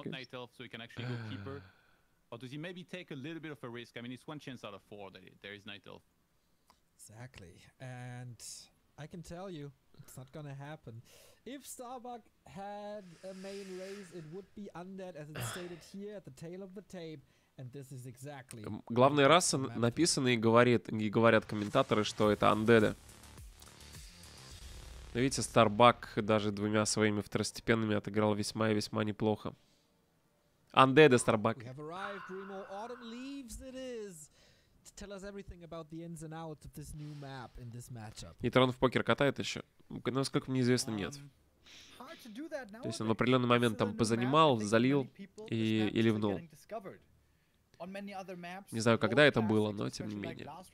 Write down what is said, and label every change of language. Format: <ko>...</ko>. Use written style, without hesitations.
<en>It's not Night Elf, so he can actually go keeper. Or does he maybe take a little bit of a risk? I mean, it's one chance out of four that there is Night Elf. Exactly. And I can tell you, it's not gonna happen. If Starbuck had a main raise, it would be undead, as it's stated here at the tail of the tape. And this is exactly...</en> <ru>Главная раса написана и говорят комментаторы, что это андеды. Но видите, Starbuck даже двумя своими второстепенными отыграл весьма и весьма неплохо.</ru> <en>Андеды, Starbuck. We have arrived, Remo. Autumn leaves it is. To tell us everything about the ins and outs of this new map in this matchup.</en> <ru>Нейтрон в покер катает еще? Насколько мне известно, нет. То есть он в определенный момент там позанимал, залил и ливнул. Не знаю, когда это было, но тем не менее.</ru>